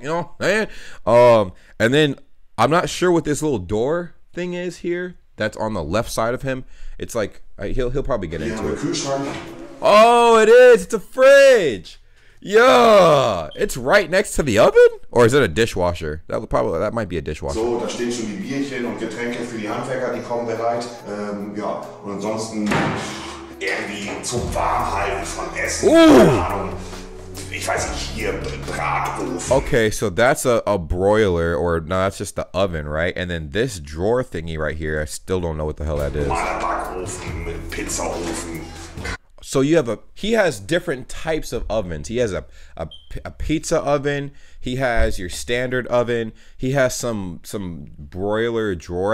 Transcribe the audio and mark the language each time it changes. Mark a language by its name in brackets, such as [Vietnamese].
[English] You know what I'm saying? And then I'm not sure what this little door thing is here that's on the left side of him. It's like, he'll probably get into it. Oh, it is. It's a fridge. Yeah, it's right next to the oven? Or is it a dishwasher? That might be a dishwasher. [German] So, da stehen schon die Bierchen und Getränke für die Handwerker, die kommen bereit. Ja, und ansonsten irgendwie zum Warmhalten von Essen. Ooh. Ich weiß nicht, hier Bratofen. [English] Okay, so that's a broiler, or no, that's just the oven, right? And then this drawer thingy right here, I still don't know what the hell that is. [German] Backofen, Pizzaofen. [English] So you have he has different types of ovens. He has a pizza oven. He has your standard oven. He has some broiler drawer.